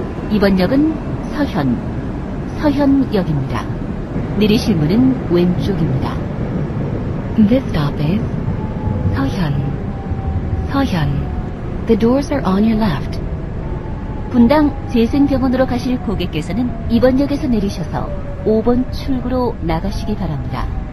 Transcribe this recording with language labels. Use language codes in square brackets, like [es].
[ko] 이번 역은 서현, 서현역입니다. 내리실 문은 왼쪽입니다. [en] This stop is 서현, 서현. The doors are on your left. [ko] 분당 재생병원으로 가실 고객께서는 이번 역에서 내리셔서 5번 출구로 나가시기 바랍니다.